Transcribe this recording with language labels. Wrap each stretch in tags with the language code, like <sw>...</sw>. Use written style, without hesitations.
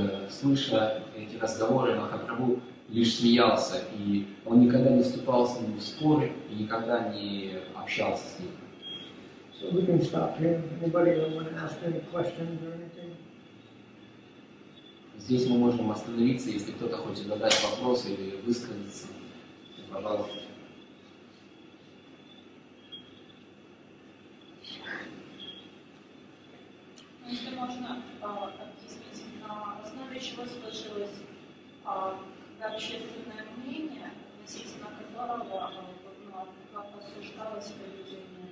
<ru>Слыша эти разговоры, Махапрабху лишь смеялся, и он никогда не вступал с ним в споры и никогда не общался с ним.</ru> <en>So we can stop here. Anybody want to ask any questions or anything?</en> <ru>Здесь мы можем остановиться, если кто-то хочет задать вопрос или высказаться. Пожалуйста. Если можно объяснить, на основе чего сложилось общественное мнение, относительно которого как осуждалось поведение?</ru>